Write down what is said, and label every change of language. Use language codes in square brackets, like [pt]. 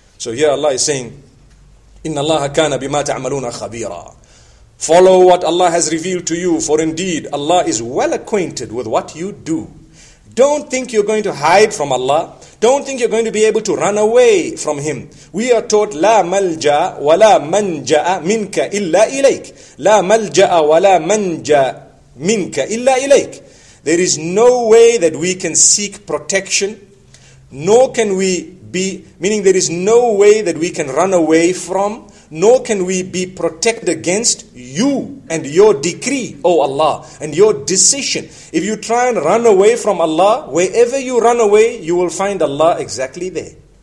[en] So here Allah is saying, [ar] إِنَّ اللَّهَ كَانَ بِمَا تَعْمَلُونَ خَبِيرًا. [en] Follow what Allah has revealed to you, for indeed Allah is well acquainted with what you do. Don't think you're going to hide from Allah. Don't think you're going to be able to run away from Him. We are taught, [ar] لا ملجا ولا منجا منك إلا إليك. لا ملجا ولا منجا منك إلا إليك. [en] There is no way that we can seek protection, nor can we be, meaning there is no way that we can run away from, nor can we be protected against you and your decree, O Allah, and your decision. If you try and run away from Allah, wherever you run away, you will find Allah exactly there.